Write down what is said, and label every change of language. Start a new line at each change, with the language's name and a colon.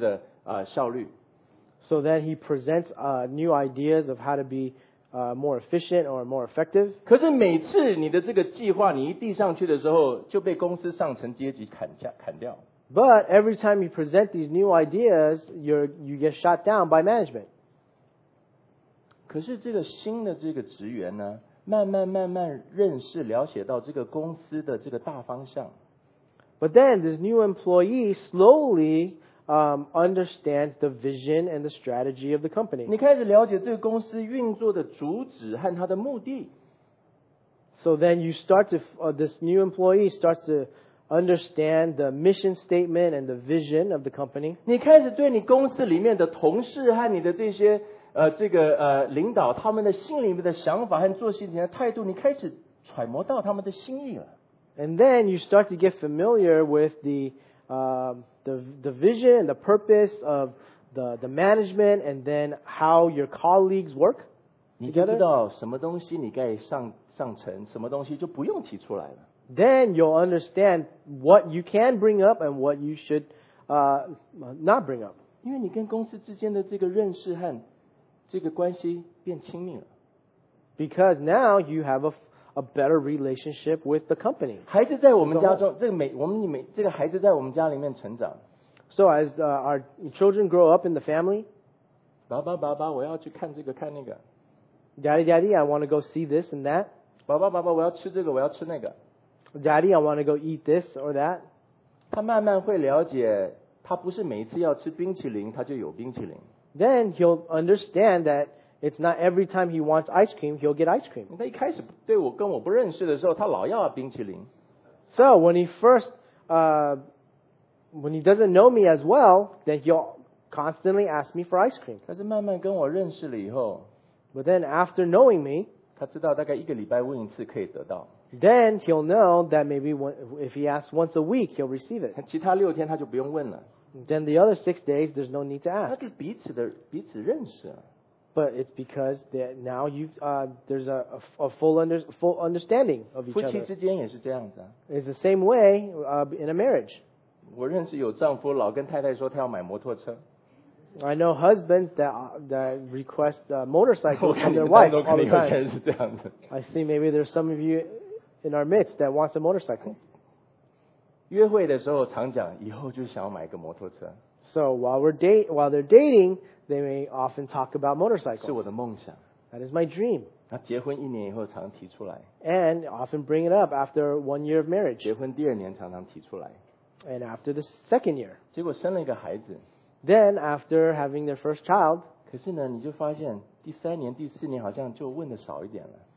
Chinese: 他就开始提出一些计划，要怎么样子改善营运，或者是增加这个公司的效率。
English: So then he presents new ideas of how to be more efficient or more effective.
Chinese: 可是每次你的这个计划你一递上去的时候，就被公司上层阶级砍掉。
English: But every time you present these new ideas, you get shot down by management.
Chinese: 可是这个新的这个职员呢？慢慢慢慢认识了解到这个公司的这个大方向。
English: But then this new employee slowly understands the vision and the strategy of the company.
Chinese: 你开始了解这个公司运作的主旨和它的目的。
English: So then you start to, this new employee starts to understand the mission statement and the vision of the company.
Chinese: 你开始对你公司里面的同事和你的这些领导他们的心里面的想法和做事情的态度，你开始揣摩到他们的心意了。
English: And then you start to get familiar with the vision and the purpose of the management and then how your colleagues work together.
Chinese: 你就知道什么东西你该上层，什么东西就不用提出来了。
English: Then you'll understand what you can bring up and what you should not bring up.
Chinese: 因为你跟公司之间的这个认识和这个关系变亲密了。
English: Because now you have a better relationship with the company.
Chinese: 孩子在我们家中，这个孩子在我们家里面成长。
English: So as our children grow up in the family,
Chinese: 爸爸爸爸，我要去看这个看那个。
English: Daddy, daddy, I want to go see this and that.
Chinese: 爸爸爸爸，我要吃这个，我要吃那个。
English: Daddy, I want to go eat this or that.
Chinese: 他慢慢会了解，他不是每次要吃冰淇淋，他就有冰淇淋。
English: Then he'll understand that. It's not every time he wants ice cream, he'll get ice cream.
Chinese: 他一开始对我跟我不认识的时候，他老要冰淇淋。
English: So when he first, when he doesn't know me as well, then he'll constantly ask me for ice cream.
Chinese: 但是慢慢跟我认识了以后
English: ，But then after knowing me,
Chinese: 他知道大概一个礼拜问一次可以得到。
English: Then he'll know that maybe if he asks once a week, he'll receive it.
Chinese: 其他六天他就不用问了。
English: Then the other six days, there's no need to ask.
Chinese: 他是彼此认识。
English: But it's because that now there's a full understanding of each other.
Chinese: 夫妻之间也是这样子啊。
English: It's the same way in a marriage.
Chinese: 我认识有丈夫老跟太太说他要买摩托车。
English: I know husbands that request motorcycles from their wife all the time.
Chinese: 我看你们当中肯定有些人是这样的。
English: I see maybe there's some of you in our midst that wants a motorcycle.
Chinese: 约会的时候常讲以后就想要买一个摩托车。
English: So while they're dating, they may often talk about motorcycles.
Chinese: 是我的梦想。
English: That is my dream.
Chinese: 那结婚一年以后常提出来。
English: And often bring it up after one year of marriage.
Chinese: 结婚第二年常常提出来。
English: And after the second year.
Chinese: 结果生了一个孩子。
English: Then after having their first child.
Chinese: 可是呢，你就发现第三年、第四年好像就问的少一点了。